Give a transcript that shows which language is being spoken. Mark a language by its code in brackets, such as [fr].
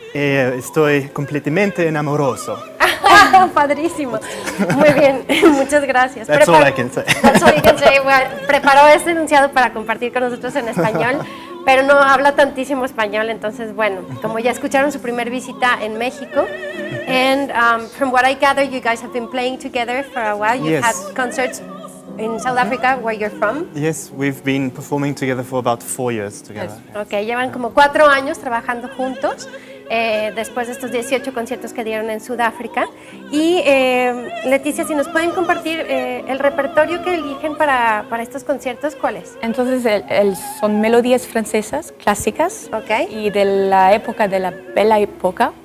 [es] Estoy completamente enamoroso. Padrísimo. Muy bien, muchas gracias. [en] That's all I can say. Well, [es] preparó este enunciado para compartir con nosotros en español, pero no habla tantísimo español, entonces bueno, como ya escucharon, su primer visita en México. [en] And from what I gather, you guys have been playing together for a while. You yes. had concerts in South Africa, where you're from. Yes, we've been performing together for about 4 years together. Yes. [es] Okay, llevan [en] yeah. [es] como 4 años trabajando juntos. Después de estos 18 conciertos que dieron en Sudáfrica. Y Leticia, si nos pueden compartir el repertorio que eligen para estos conciertos, ¿cuál es? Entonces, son melodías francesas clásicas [en] okay. [es] y de la época, de la Belle Époque,